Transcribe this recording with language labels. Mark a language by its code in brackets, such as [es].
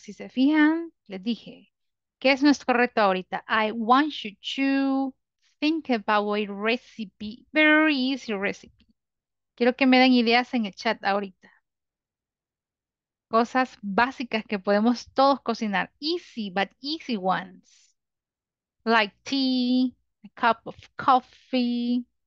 [es] Si se fijan, les dije, ¿qué es nuestro reto ahorita? [en] I want you to think about a recipe, very easy recipe. [es] Quiero que me den ideas en el chat ahorita. Cosas básicas que podemos todos cocinar. [en] Easy, but easy ones. Like tea, a cup of coffee.